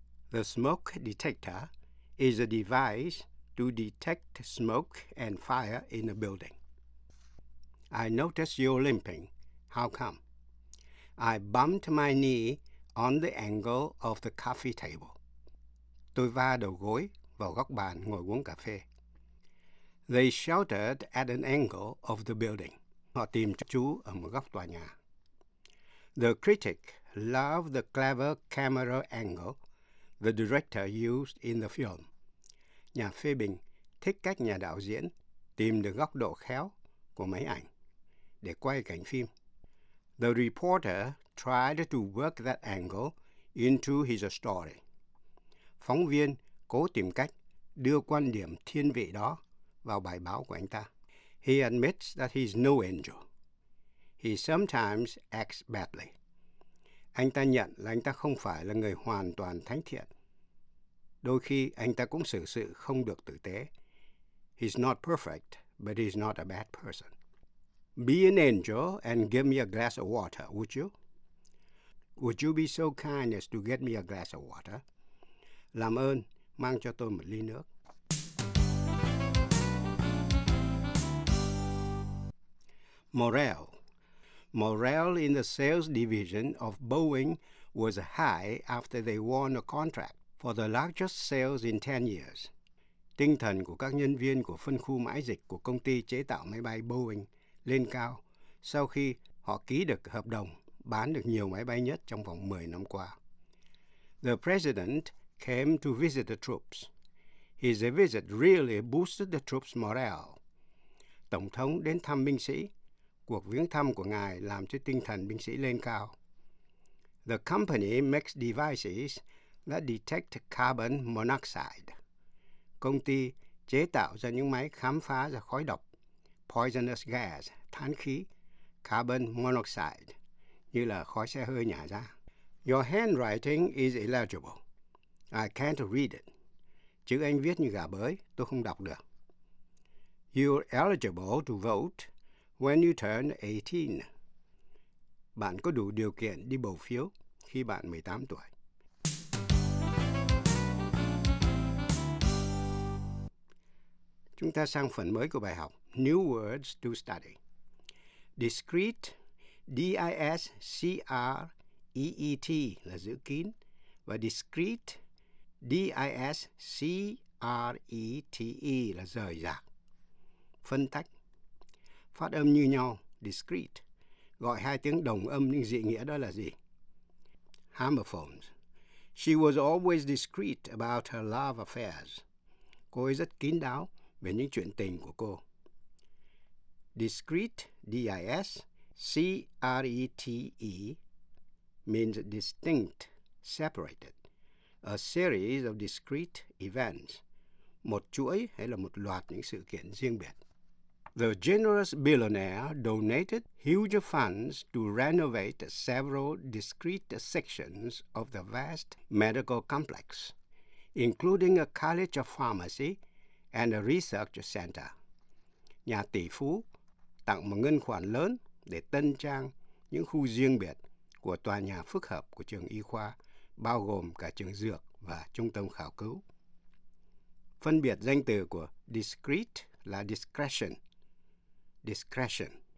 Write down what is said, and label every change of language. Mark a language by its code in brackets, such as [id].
[en] The smoke detector is a device to detect smoke and fire in a building. I noticed you limping. How come? I bumped my knee on the angle of the coffee table. [vi] Tôi va đầu gối vào góc bàn ngồi uống cà phê. [en] They sheltered at an angle of the building. [vi] Họ tìm trú ở một góc tòa nhà. [en] The critic loved the clever camera angle the director used in the film. [vi] Nhà phê bình thích cách nhà đạo diễn tìm được góc độ khéo của máy ảnh để quay cảnh phim. [en] The reporter tried to work that angle into his story. [vi] Phóng viên cố tìm cách đưa quan điểm thiên vị đó vào bài báo của anh ta. [en] He admits that he's no angel. He sometimes acts badly. [vi] Anh ta nhận là anh ta không phải là người hoàn toàn thánh thiện. Đôi khi anh ta cũng xử sự không được tử tế. [en] He's not perfect, but he's not a bad person. Be an angel and give me a glass of water, would you? Would you be so kind as to get me a glass of water? [vi] Làm ơn, mang cho tôi một ly nước. [en] Morale. Morale in the sales division of Boeing was high after they won a contract for the largest sales in 10 years. [vi] Tinh thần của các nhân viên của phân khu mãi dịch của công ty chế tạo máy bay Boeing lên cao sau khi họ ký được hợp đồng bán được nhiều máy bay nhất trong vòng 10 năm qua. [en] The president came to visit the troops. His visit really boosted the troops' morale. [vi] Tổng thống đến thăm binh sĩ. Cuộc viếng thăm của ngài làm cho tinh thần binh sĩ lên cao. [en] The company makes devices that detect carbon monoxide. [vi] Công ty chế tạo ra những máy khám phá ra khói độc, [en] poisonous gas, [vi] than khí, carbon monoxide, như là khói xe hơi nhả ra. [en] Your handwriting is illegible. I can't read it. [vi] Chữ anh viết như gà bới, tôi không đọc được. [en] You're eligible to vote when you turn 18. [vi] Bạn có đủ điều kiện đi bầu phiếu khi bạn 18 tuổi. Chúng ta sang phần mới của bài học. [en] New words to study. [vi] Discrete, D-I-S-C-R-E-E-T là giữ kín. Và discrete, D-I-S-C-R-E-T-E là rời rạc. Phân tách. Phát âm như nhau, discrete. Gọi hai tiếng đồng âm nhưng dị nghĩa đó là gì? [en] Hammer phones. She was always discreet about her love affairs. [vi] Cô ấy rất kín đáo về những chuyện tình của cô. [en] Discrete, D-I-S-C-R-E-T-E, means distinct, separated. A series of discrete events. [vi] Một chuỗi hay là một loạt những sự kiện riêng biệt. [en] The generous billionaire donated huge funds to renovate several discrete sections of the vast medical complex, including a college of pharmacy and a research center. [vi] Nhà tỷ phú tặng một ngân khoản lớn để tân trang những khu riêng biệt của tòa nhà phức hợp của trường y khoa, bao gồm cả trường dược và trung tâm khảo cứu. Phân biệt danh từ của discrete là discretion. Discretion.